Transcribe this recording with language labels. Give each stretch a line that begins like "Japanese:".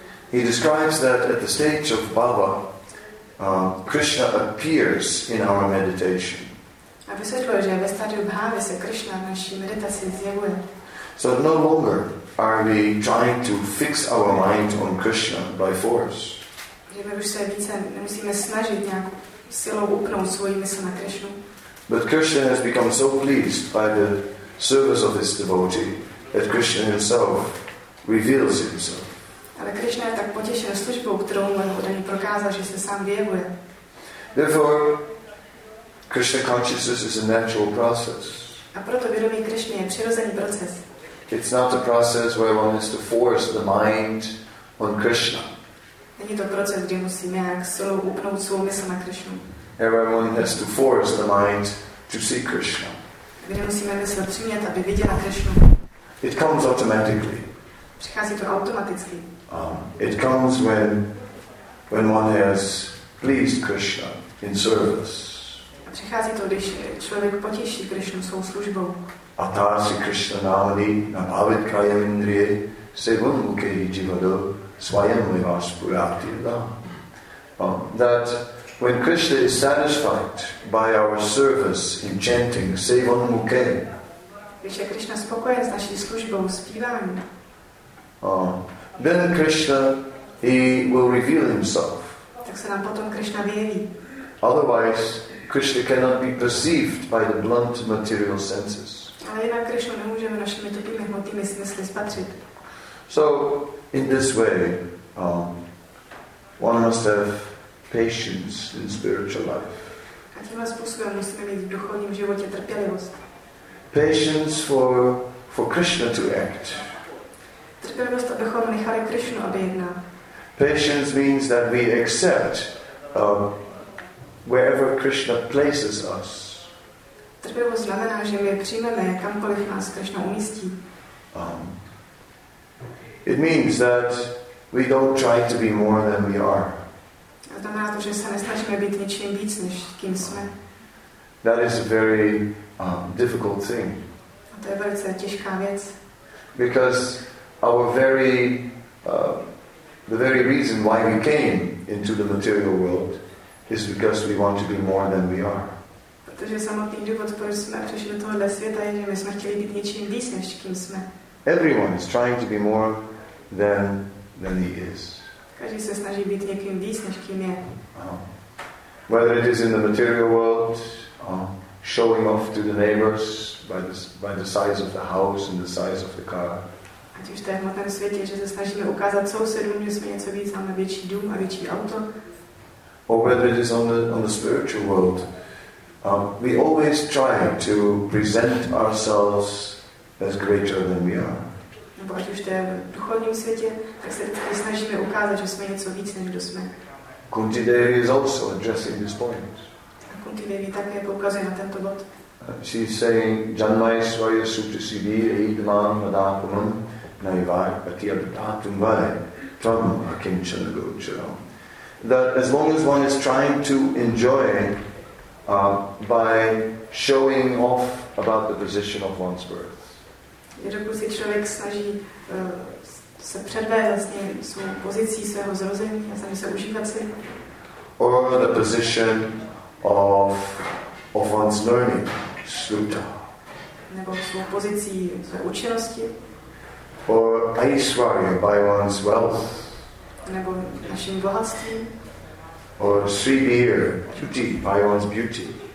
English: He describes that at the stage of bhava, Krishna appears in our meditation.
Czech: A vysvětlo, že ve stádiu bhávy se Krishna v naší meditaci zjevuje.
English: So no longer are we trying to fix our mind on Krishna by force.
Czech: Že my už se více nemusíme snažit nějak silou upnout svoji mysl na Krishnu.
English: But Krishna has become so pleased by the service of his devotee that Krishna himself reveals himself.
Czech: Ale Krishna je tak potěšen službou, kterou mu odaný prokázal, že se sám vyjevuje.
English: Therefore, Krishna consciousness is a natural process.
Czech: A proto vědomí Krishna je přirozený proces.
English: It's not a process where one has to force the mind on Krishna.
Czech: Není to proces, kde musíme jak solo upnout svou mysl na Krishnu.
English: Everyone has to force the mind to see Krishna.
Czech: Kde musíme mysl přimět, aby viděla Krishnu.
English: It comes automatically.
Czech: Přichází to automaticky.
English: It comes when one has pleased Krishna in service.
Czech: Přichází to, když člověk potěší Krishnu svou službou. A ta si Krishna námi na bavit kraje indrie se von mukehi jivado svajem mi vás purátil da.
English: That when Krishna is satisfied by our service in chanting se von muke.
Czech: Když je Krishna spokojen s naší službou zpívání.
English: Then Krishna, he will reveal himself.
Czech: Tak se nám potom Krishna vyjeví.
English: Otherwise, Krishna cannot be perceived by the blunt material senses.
Czech: Ale jinak Krishnu nemůžeme našimi tupými hmotnými smysly spatřit.
English: So in this way, one must have patience in spiritual life.
Czech: A tímhle způsobem musíme mít v duchovním životě trpělivost.
English: Patience for Krishna to act.
Czech: Trpělivost, abychom nechali Krishnu, aby jednal.
English: Patience means that we accept wherever Krishna places us.
Czech: Trpělivost znamená, že my přijmeme kamkoliv nás Krishna umístí.
English: It means that we don't try to be more than we are.
Czech: A znamená to, že se nesnažíme být něčím víc, než kým jsme.
English: That is a very difficult thing.
Czech: A to je velice těžká věc.
English: Because our very the very reason why we came into the material world is because we want to be more than we are.
Czech: Protože samotný důvod, proč jsme přišli do tohoto světa, je, že my jsme chtěli být něčím víc, než kým jsme.
English: Everyone is trying to be more than he is.
Czech: Každý se snaží být někým víc, než kým je.
English: Whether it is in the material world, showing off to the neighbors by the size of the house and the size of the car.
Czech: Ať už to je v hmotném světě, že se snažíme ukázat sousedům, že jsme něco víc, máme větší dům a větší auto.
English: Or whether it is on the spiritual world, we always try to present ourselves as greater than we are.
Czech: nebo ať už to je v duchovním světě, tak se vždycky snažíme ukázat, že jsme něco víc, než kdo jsme.
English: Kunti Devi is also addressing this point.
Czech: A Kunti Devi také poukazuje na tento bod.
English: She is saying,
Sanskrit: Janmaiswarya Suprasidhi Eidman Madakumam Naivai Patiabhatum Vare Tvamu Akinchana Gocharam.
English: That as long as one is trying to enjoy by showing off about the position of one's birth.
Czech: Dokud se člověk snaží se předvést svou pozicí svého zrození a snaží se užívat si.
English: Or the position of one's learning, sutta.
Czech: Nebo svou pozicí své učenosti.
English: Or Aishwarya by one's wealth.
Czech: Nebo naším bohatstvím.
English: Or Sridhir, beauty, by one's beauty.